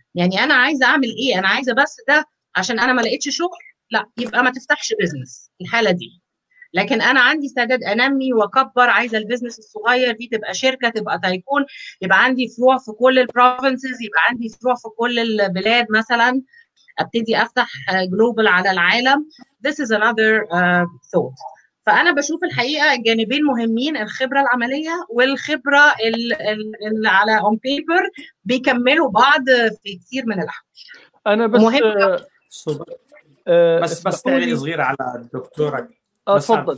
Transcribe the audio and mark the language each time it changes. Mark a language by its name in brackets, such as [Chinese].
[Arabic] يعني انا عايزه اعمل ايه، انا عايزه بس ده عشان انا ما لقيتش شغل، لا يبقى ما تفتحش بزنس الحاله دي، لكن انا عندي استعداد انمي واكبر، عايزه البيزنس الصغير دي تبقى شركه، تبقى تايكون، يبقى عندي فروع في كل البروفنسز، يبقى عندي فروع في كل البلاد، مثلا ابتدي افتح جلوبال على العالم. [English] This is another thought. [Arabic] فانا بشوف الحقيقه الجانبين مهمين، الخبره العمليه والخبره اللي على اون بيبر بيكملوا بعض في كثير من الاحوال. انا بس مهم بس تعليق صغير على الدكتوره، اتفضل